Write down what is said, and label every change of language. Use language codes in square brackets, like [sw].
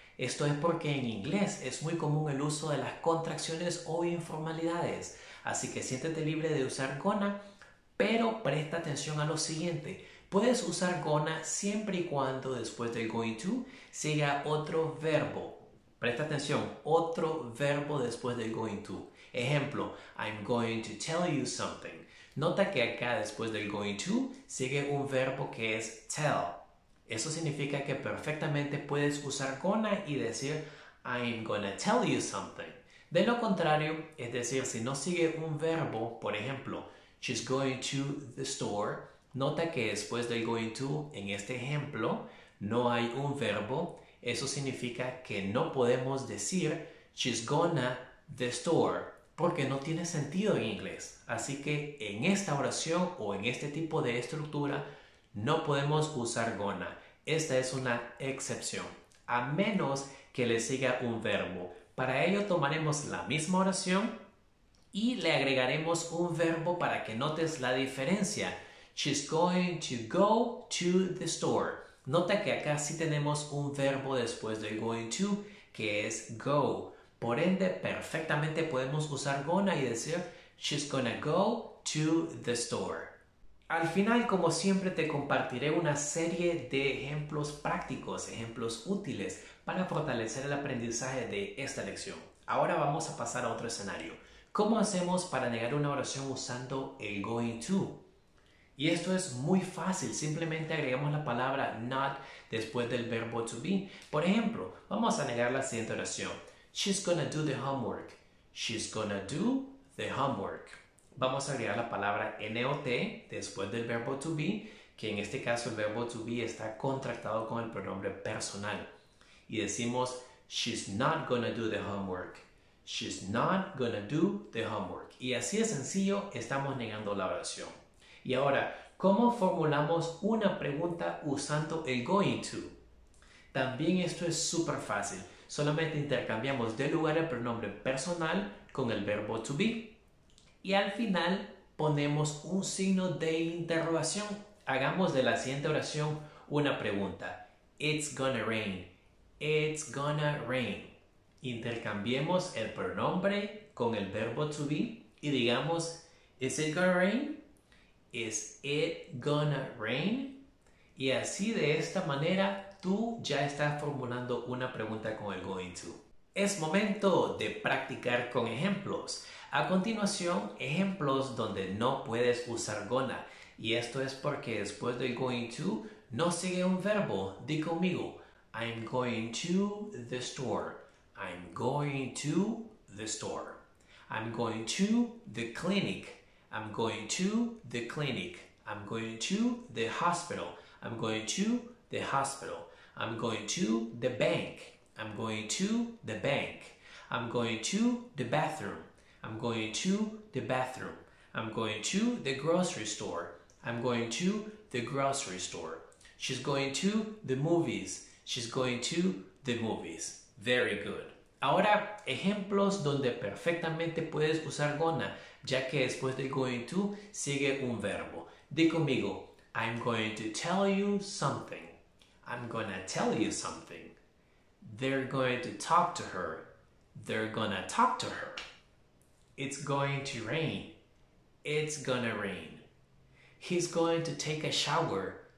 [es] Esto es porque en inglés es muy común el uso de las contracciones o informalidades. Así que siéntete libre de usar gonna, pero presta atención a lo siguiente. Puedes usar gonna siempre y cuando después del going to siga otro verbo. Presta atención, otro verbo después del going to. Ejemplo, [en] I'm going to tell you something. [es] Nota que acá después del going to sigue un verbo que es tell. Eso significa que perfectamente puedes usar gonna y decir [en] I'm gonna tell you something. [es] De lo contrario, es decir, si no sigue un verbo, por ejemplo, [en] she's going to the store, [es] nota que después del going to, en este ejemplo, no hay un verbo. Eso significa que no podemos decir [en] she's gonna the store, [es] porque no tiene sentido en inglés. Así que en esta oración o en este tipo de estructura, no podemos usar gonna. Esta es una excepción, a menos que le siga un verbo. Para ello tomaremos la misma oración y le agregaremos un verbo para que notes la diferencia. [en] She's going to go to the store. [es] Nota que acá sí tenemos un verbo después del going to, que es go. Por ende, perfectamente podemos usar gonna y decir [en] She's gonna go to the store. [es] Al final, como siempre, te compartiré una serie de ejemplos prácticos, ejemplos útiles para fortalecer el aprendizaje de esta lección. Ahora vamos a pasar a otro escenario. ¿Cómo hacemos para negar una oración usando el going to? Y esto es muy fácil, simplemente agregamos la palabra not después del verbo to be. Por ejemplo, vamos a negar la siguiente oración. [en] She's gonna do the homework. She's gonna do the homework. [es] Vamos a agregar la palabra not después del verbo to be, que en este caso el verbo to be está contractado con el pronombre personal. Y decimos, [en] She's not gonna do the homework. She's not gonna do the homework. [es] Y así de sencillo estamos negando la oración. Y ahora, ¿cómo formulamos una pregunta usando el going to? También esto es súper fácil. Solamente intercambiamos de lugar el pronombre personal con el verbo to be. Y al final ponemos un signo de interrogación. Hagamos de la siguiente oración una pregunta. It's gonna rain. It's gonna rain. Intercambiemos el pronombre con el verbo to be y digamos, [en] is it gonna rain? Is it gonna rain? [es] Y así de esta manera tú ya estás formulando una pregunta con el going to. Es momento de practicar con ejemplos. A continuación, ejemplos donde no puedes usar gonna. Y esto es porque después del going to, no sigue un verbo. Di conmigo, [en] I'm going to the store. I'm going to the store. I'm going to the clinic. I'm going to the clinic. I'm going to the hospital. I'm going to the hospital. I'm going to the bank. I'm going to the bank. I'm going to the bathroom. I'm going to the bathroom. I'm going to the grocery store. I'm going to the grocery store. She's going to the movies. She's going to the movies. Very good. [es] Ahora, ejemplos donde perfectamente puedes usar gonna, ya que después del going to sigue un verbo. Di conmigo, [en] I'm going to tell you something. I'm gonna tell you something. They're going to talk to her. They're gonna talk to her. It's going to rain. It's gonna rain. He's going to take a shower.